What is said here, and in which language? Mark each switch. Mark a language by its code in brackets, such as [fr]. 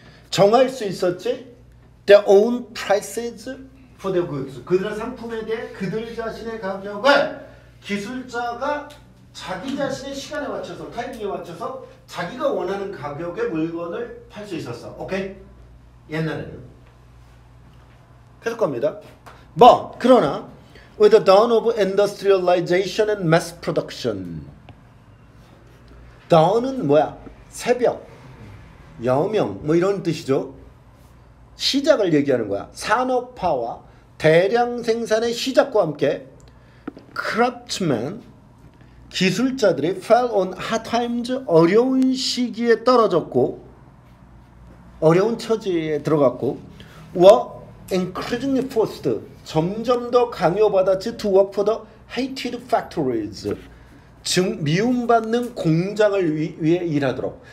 [ko] 정할 수 있었지? [en] Their own prices for their goods, [ko] 그들의 상품에 대해 그들 자신의 가격을 기술자가 자기 자신의 시간에 맞춰서 타이밍에 맞춰서 자기가 원하는 가격의 물건을 팔 수 있었어. 오케이? 옛날에는 계속 갑니다. 뭐 그러나 [en] with the dawn of industrialization and mass production. [ko] Dawn은 뭐야? 새벽, 여명 뭐 이런 뜻이죠. 시작을 얘기하는 거야. 산업화와 대량 생산의 시작과 함께 크래프트맨 기술자들이 [en] fell on hard times, [ko] 어려운 시기에 떨어졌고 어려운 처지에 들어갔고 [en] were increasingly forced, [ko] 점점 더 강요받았지 [en] to work for the hated factories, [ko] 즉 미움받는 공장을 위해 일하도록.